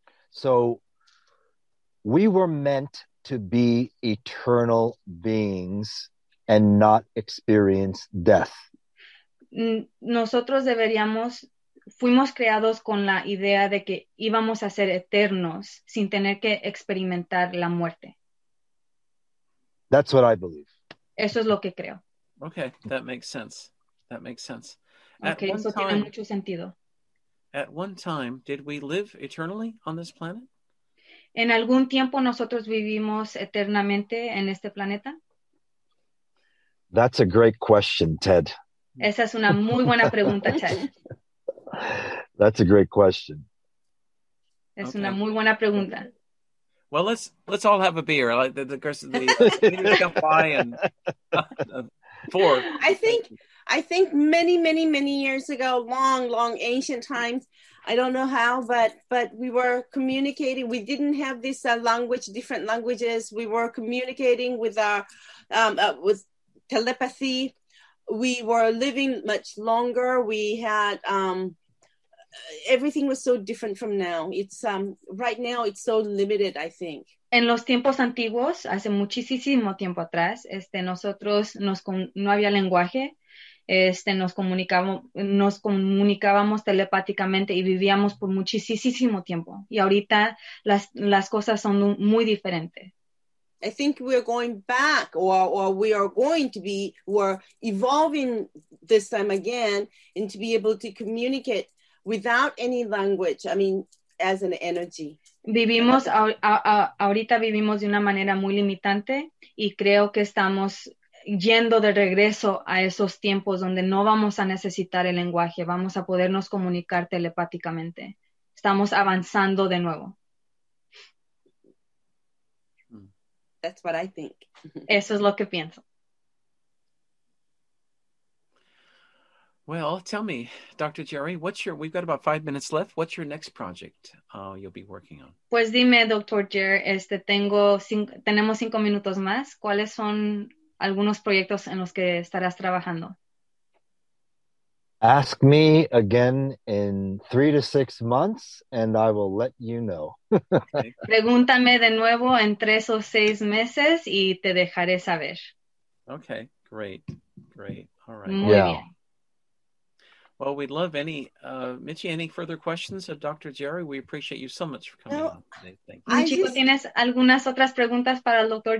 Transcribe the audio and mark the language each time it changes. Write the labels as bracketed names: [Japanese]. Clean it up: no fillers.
[English] So we were meant to be eternal beings and not experience death. [Spanish] Nosotros deberíamos, fuimos creados con la idea de que íbamos a ser eternos sin tener que experimentar la muerte. [English] That's what I believe. [Spanish] Eso es lo que creo. [English] Okay, that makes sense. That makes sense. [Spanish] Okay, eso tiene mucho sentido. [English] At one time, did we live eternally on this planet? [Spanish] ¿En algún tiempo nosotros vivimos eternamente en este planeta? [English] That's a great question, Ted. [Spanish] Esa es una muy buena pregunta, Ted. [English] That's a great question. [Spanish] Es okay. Una muy buena pregunta. [English] Well, let's all have a beer. Like the course of the leaders come by and four. I think many, many, many years ago, long, long ancient times, I don't know how, but we were communicating. We didn't have this language, different languages. We were communicating with our with telepathy. We were living much longer. We had everything was so different from now. It's right now it's so limited, I think. [Spanish] En los tiempos antiguos, hace muchísimo tiempo atrás, nosotros no había lenguaje, nos comunicábamos telepáticamente y vivíamos por muchísimo tiempo. Y ahorita las cosas son muy diferentes. [English] I think we are going back, or we are going to be, we're evolving this time again, and to be able to communicate without any language. I mean, as an energy. [Spanish] Vivimos ahorita vivimos de una manera muy limitante y creo que estamos yendo de regreso a esos tiempos donde no vamos a necesitar el lenguaje, vamos a podernos comunicar telepáticamente. Estamos avanzando de nuevo. [English] That's what I think. [Spanish] Eso es lo que pienso. [English] Well, tell me, Dr. Jerry, we've got about 5 minutes left. What's your next project you'll be working on? [Spanish] Pues dime, Dr. Jerry, tenemos 5 minutos más. ¿Cuáles son algunos proyectos en los que estarás trabajando? [English] Ask me again in 3 to 6 months and I will let you know. [Spanish] Pregúntame de nuevo en 3 o 6 meses y te dejaré saber. [English] Okay, great, great. All right. [Spanish] Muy bien. [English] Well, we'd love any, Michi, any further questions of Dr. Jerry? We appreciate you so much for coming on today. Thank you. [Spanish] Michi, ¿tienes algunas otras preguntas para el Dr.